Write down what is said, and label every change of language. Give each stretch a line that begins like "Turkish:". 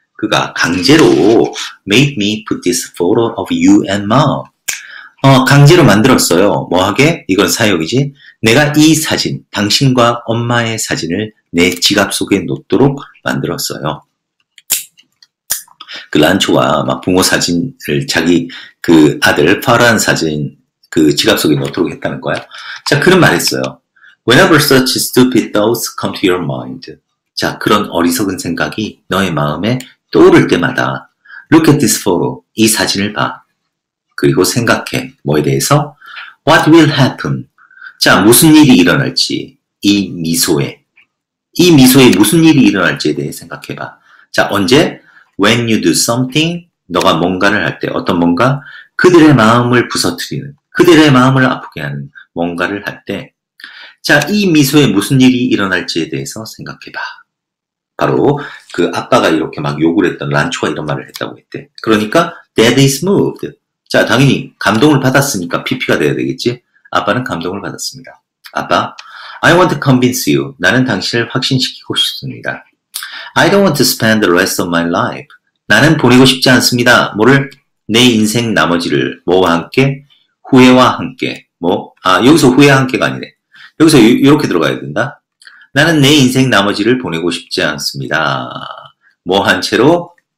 Korean: 그가 강제로
English: made me put this photo of you and mom.
Korean: 강제로 만들었어요. 뭐하게? 이건 사역이지. 내가 이 사진, 당신과 엄마의 사진을 내 지갑 속에 놓도록 만들었어요. 그 란초가 막 부모 사진을 자기 그 아들 파란 사진 그 지갑 속에 놓도록 했다는 거야. 자, 그런 말 했어요.
English: Whenever such stupid thoughts come to your mind.
Korean: 자, 그런 어리석은 생각이 너의 마음에 떠오를 때마다
English: Look at this photo.
Korean: 이 사진을 봐. 그리고 생각해. 뭐에 대해서?
English: What will happen?
Korean: 자, 무슨 일이 일어날지. 이 미소에. 이 미소에 무슨 일이 일어날지에 대해 생각해봐. 자, 언제?
English: When you do something.
Korean: 너가 뭔가를 할 때. 어떤 뭔가? 그들의 마음을 부서뜨리는. 그들의 마음을 아프게 하는 뭔가를 할 때. 자, 이 미소에 무슨 일이 일어날지에 대해서 생각해봐. 바로 그 아빠가 이렇게 막 욕을 했던 란초가 이런 말을 했다고 했대. 그러니까
English: dad is moved.
Korean: 자, 당연히 감동을 받았으니까 PP가 돼야 되겠지? 아빠는 감동을 받았습니다.
English: 아빠, I want to convince you.
Korean: 나는 당신을 확신시키고 싶습니다.
English: I don't want to spend the rest of my life.
Korean: 나는 보내고 싶지 않습니다. 뭐를? 내 인생 나머지를 뭐와 함께? 후회와 함께. 뭐? 아, 여기서 후회와 함께가 아니네. 여기서 이렇게 들어가야 된다. 나는 내 인생 나머지를 보내고 싶지 않습니다. 뭐한 채로?